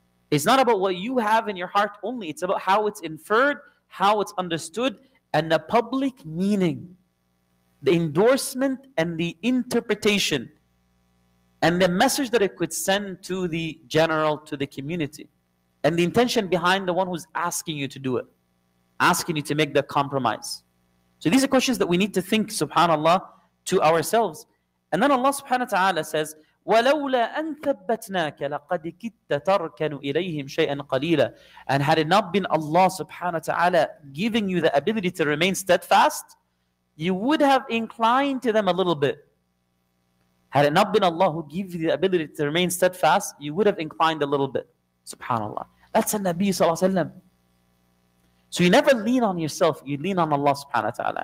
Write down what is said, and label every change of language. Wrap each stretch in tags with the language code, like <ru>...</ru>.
<en>It's not about what you have in your heart only, it's about how it's inferred, how it's understood, and the public meaning, the endorsement and the interpretation, and the message that it could send to the general, to the community, and the intention behind the one who's asking you to do it, asking you to make the compromise. So these are questions that we need to think, subhanAllah, to ourselves. And then Allah subhanahu wa ta'ala says,</en> <ar>ولولا أن ثبتناك لقد كدت تركن إليهم شيئا قليلا.</ar> <en>And had it not been Allah subhanahu wa ta'ala giving you the ability to remain steadfast, you would have inclined to them a little bit. Had it not been Allah who gave you the ability to remain steadfast, you would have inclined a little bit. Subhanallah. That's a Nabi sallallahu alayhi wa sallam. So you never lean on yourself, you lean on Allah subhanahu wa ta'ala.</en>